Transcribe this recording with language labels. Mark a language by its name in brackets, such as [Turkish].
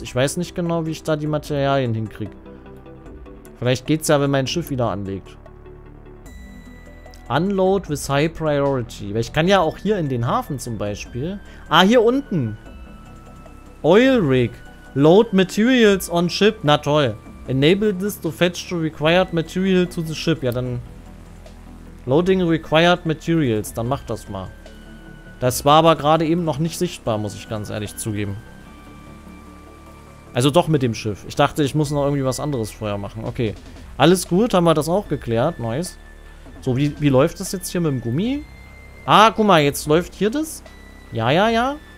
[German] Ich weiß nicht genau, wie ich da die Materialien hinkriege. Vielleicht geht's ja, wenn mein Schiff wieder anlegt. [English] Unload with high priority. [German] Weil ich kann ja auch hier in den Hafen zum Beispiel. Ah, hier unten. [English] Oil rig. Load materials on ship. [German] Na toll. [English] Enable this to fetch the required material to the ship. [German] Ja, dann. [English] Loading required materials. [German] Dann mach das mal. Das war aber gerade eben noch nicht sichtbar, muss ich ganz ehrlich zugeben. Also doch mit dem Schiff. Ich dachte, ich muss noch irgendwie was anderes vorher machen. Okay. Alles gut, haben wir das auch geklärt. Nice. So, wie läuft das jetzt hier mit dem Gummi? Ah, guck mal, jetzt läuft hier das. Ja, ja, ja.